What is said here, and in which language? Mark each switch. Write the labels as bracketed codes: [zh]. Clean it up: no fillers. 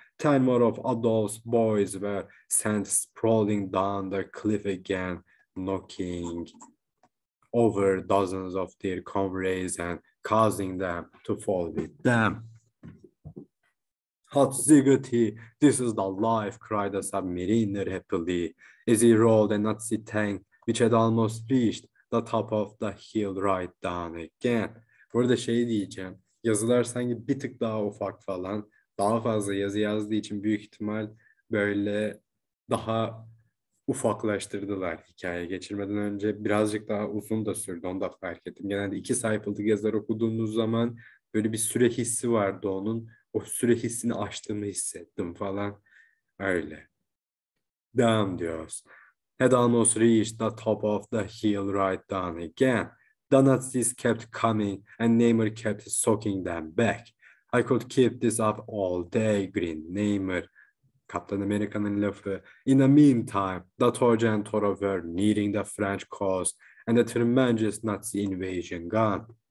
[en] 10 more of Adolf's boys were sent sprawling down the cliff again, knocking over dozens of their comrades and causing them to fall with them. "Hot ziggity, this is the life," cried the submariner happily, as he rolled a Nazi tank which had almost reached the top of the hill right down again. [tr] Bu arada şey diyeceğim, yazılar sanki bir tık daha ufak falan, daha fazla yazı yazdığı için büyük ihtimal böyle daha ufaklaştırdılar hikaye geçirmeden önce. Birazcık daha uzun da sürdü, onu da fark ettim. Genelde iki sayfalık yazılar okuduğunuz zaman böyle bir süre hissi vardı onun. O süre hissini aştığımı hissettim falan. Öyle. Devam diyoruz. [en] had almost reached the top of the hill right down again. The Nazis kept coming and Neymar kept soaking them back. I could keep this up all day, grinned Neymar. [tr] Captain America'nın lafı. [en] In the meantime, the Torch and Toro were nearing the French coast and the tremendous Nazi invasion gun.